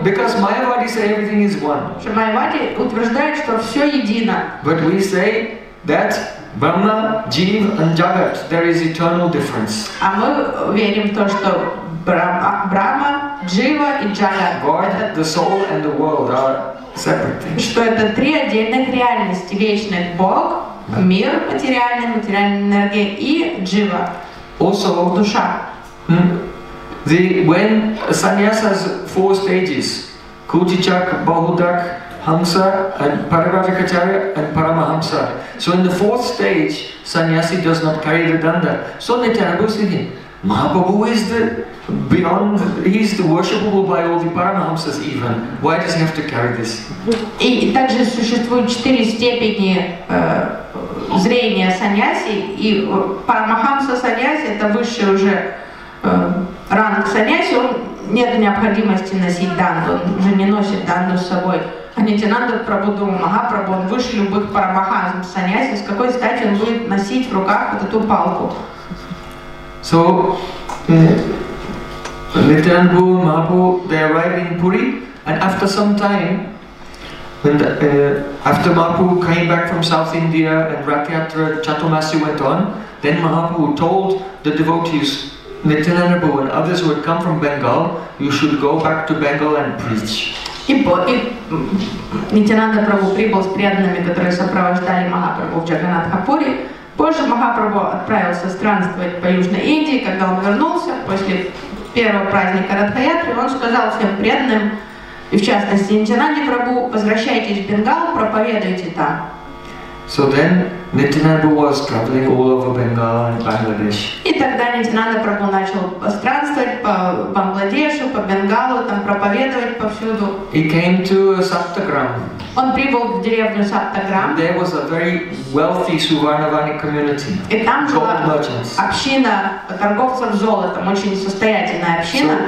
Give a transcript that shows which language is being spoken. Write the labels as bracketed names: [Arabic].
[English] Because Mayavadi say everything is one. [Russian] Что Mayavadi утверждает, что все едино. [English] But we say that Brahma, Jeev and Jagat, there is eternal difference. [Russian] А мы верим в то, что Брахма, Джива и Джагат. [English] God, the soul and the world are separate things. [Russian] Что это три отдельных реальности, вечный Бог, мир материальный, материальная энергия и Джива. [English] Also, [Russian] душа. [English] When sannyas has four stages, Kuchichak, Bahudak, Hamsa and Paravavikacharya and Paramahamsa. So in the fourth stage, sannyasi does not carry the danda. So Nityananda is thinking, Mahaprabhu is the beyond, he is the worshipable by all the Paramahamsas even. Why does he have to carry this? [Russian] И также существуют четыре степени зрения сannyasi. И Paramahamsa sannyasi это высший уже ранг sannyasi. Он нет необходимости носить данду. Он уже не носит данду с собой. А Нитинанда Прабху думал, Махапрабху, он выше любых парамахан, саньяси, с какой стати он будет носить в руках вот эту палку? [English] So, Nityananda Mahaprabhu, they arrived in Puri, and after some time, after Mahaprabhu came back from South India and Ratyatra Chaturmasi went on, then Mahaprabhu told the devotees, Nityananda Prabhu and others who had come from Bengal, you should go back to Bengal and preach. [Russian] И Nityananda Prabhu прибыл с преданными, которые сопровождали Махапрабху в Джаганнатхапуре. Позже Махапрабху отправился странствовать по Южной Индии, когда он вернулся после первого праздника Ратхаятры. Он сказал всем преданным, и в частности Nityananda Prabhu, возвращайтесь в Бенгал, проповедуйте там. [English] So then Nityananda was traveling all over Bengal and Bangladesh. [Russian] И тогда Нитянанда Прабху начал странствовать по Бангладешу, по Бенгалу, там проповедовать повсюду. [English] He came to Saptagram. [Russian] Он прибыл в деревню Саптаграм. [English] There was a very wealthy Suvarnavani community. [Russian] И там была община торговцев золотом, очень состоятельная община.